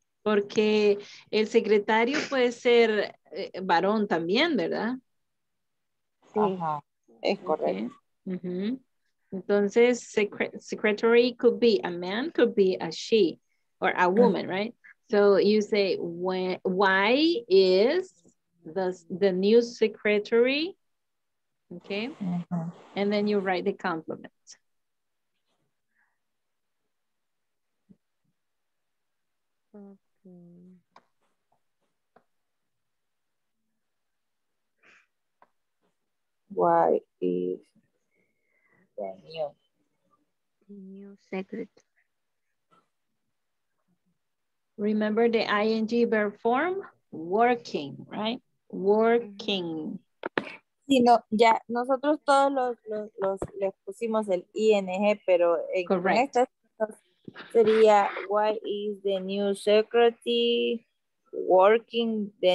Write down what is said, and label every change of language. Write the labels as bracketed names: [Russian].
[Spanish] Porque el secretario puede ser varón también, ¿verdad? Sí. Ajá, es correcto. Okay. Uh-huh. [English] Entonces, secretary could be a man, could be a she, or a woman, uh-huh. Right? So you say, why is the new secretary? Okay. Uh-huh. And then you write the compliment. Why is the new secretary? Remember the ing verb form? Working, right? Working. [Spanish] Sí, no, ya nosotros todos los les pusimos el ing, pero en correcto. [English] Sería, why is the new secretary working the